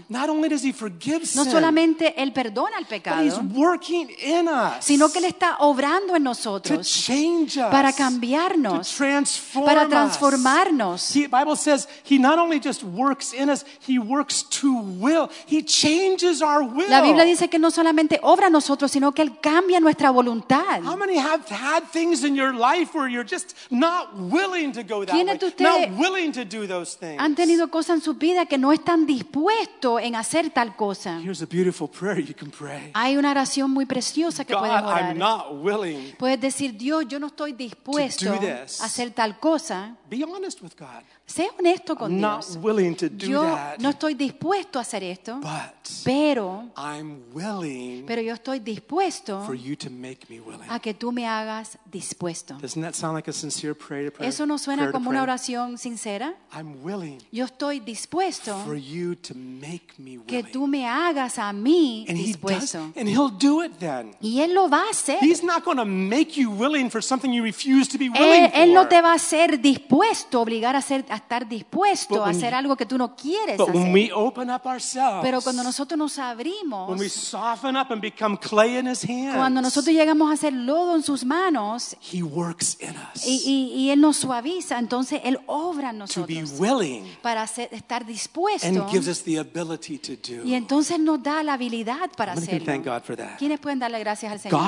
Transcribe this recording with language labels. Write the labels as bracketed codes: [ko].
[en] Not only does he forgive sin, [es] no solamente él perdona el pecado, [en] but he's working in us, [es] sino que él está obrando en nosotros, [en] to change us, [es] para cambiarnos, [en] to transform [es] para transformarnos. [en] Us. The Bible says he not only just works in us, he works to will. He changes our will. [es] La Biblia dice que no solamente obra en nosotros, sino que él cambia nuestra voluntad. [en] How many have had things in your life where you're just not willing to go that way? Not willing to do those things. [es] Han tenido cosas en su vida que no están dispuestos en hacer tal cosa. [en] Here's a beautiful prayer you can pray. [es] Hay una oración muy preciosa que [en] God, [es] puedes orar. [en] I'm not willing. [es] Puedes decir, Dios, yo no estoy dispuesto [en] to do this. [es] A hacer tal cosa. [en] Be honest with God. [es] Sé honesto con [en] I'm [es] Dios. [en] Not willing to do [es] yo [en] that. [es] No estoy dispuesto a hacer esto. [en] But [es] pero [en] I'm willing. [es] Pero yo estoy dispuesto [en] for you to make me willing. [es] A que tú me hagas dispuesto. [en] Doesn't that sound like a sincere prayer to pray? [es] Eso no suena como una oración sincera. [en] I'm willing. [es] Yo estoy dispuesto. [en] For you to make me willing. [es] Que tú me hagas a mí dispuesto. [en] And he'll do it then. [es] Y él lo va a hacer. [en] He's not going to make you willing for something you refuse to be willing for. [es] Él no te va a hacer dispuesto, obligar a ser, a estar dispuesto a hacer algo que tú no quieres hacer. [en] But when we open up ourselves. [es] Pero cuando nosotros nos abrimos. [en] When we soften up and become clay in his hands. [es] Cuando nosotros llegamos a ser lodo en sus manos. [en] He works in us. [es] Y él nos suaviza, entonces él obra en nosotros. [en] Be willing, [es] para ser, estar dispuesto, [en] and gives us the ability to do. [es] Y entonces nos da la habilidad para hacerlo. [en] How many can thank God for that? [es] ¿Quiénes pueden darle gracias al Señor?